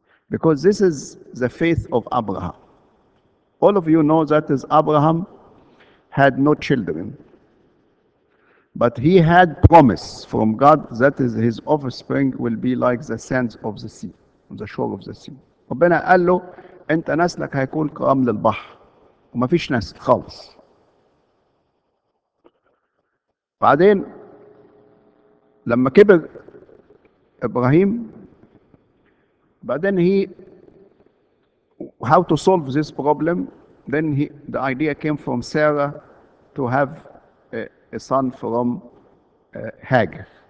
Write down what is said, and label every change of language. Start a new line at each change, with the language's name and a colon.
English: Because this is the faith of Abraham. All of you know that is Abraham had no children, but he had promise from God that is his offspring will be like the sands of the sea, on the shore of the sea.
Arabic: ربنا قال له انت نسلك هيكون كرمل البحر وما فيش نسل خالص. بعدين لما كبر ابراهيم, بعدين
English: he how to solve this problem, then he the idea came from Sarah to have a son from Hagar.